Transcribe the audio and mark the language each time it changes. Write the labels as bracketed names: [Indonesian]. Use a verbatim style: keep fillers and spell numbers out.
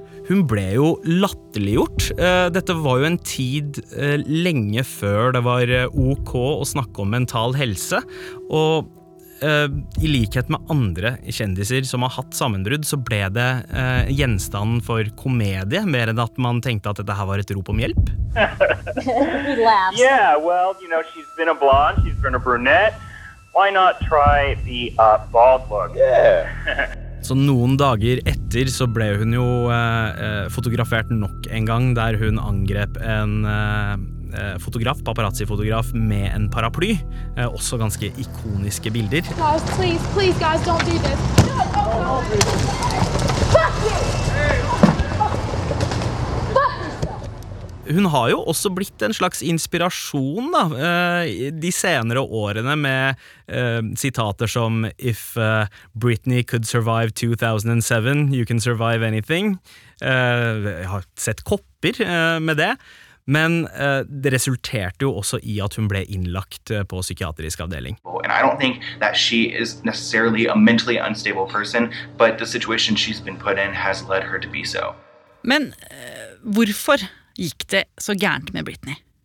[Norwegian] Hun ble jo latterliggjort. Dette var jo en tid lenge før det var ok å snakke om mental helse, og eh, i likhet med andre kjendiser som har hatt sammenbrudd, så ble det eh, gjenstand for komedie, mer enn at man tenkte at dette her var et rop om hjelp? [English] He laughs. Yeah, well, you know, she's been a blonde, she's been a brunette. Why not try the uh, bald look? Yeah. [Norwegian] Så noen dager etter så ble hun jo eh, fotografert nok en gang, der hun angrep en eh, fotograf, paparazzi-fotograf, med en paraply. Eh, også ganske ikoniske bilder. [English] Guys, please, please, guys, don't do this. No, oh, oh, fuck you! Fuck yourself! [Norwegian] Hun har jo også blitt en slags inspirasjon da, de senere årene med uh, sitater som [English] If uh, Britney could survive two thousand seven, you can survive anything. [Norwegian] Uh, jeg har sett kopper uh, med det, men uh, det resulterte jo også i at hun ble innlagt på psykiatrisk avdeling. [English] And I don't think that she is necessarily a mentally unstable person, but the situation she's been put in has led her to be so. [Norwegian] Men uh, hvorfor gikk det så gærent med Britney?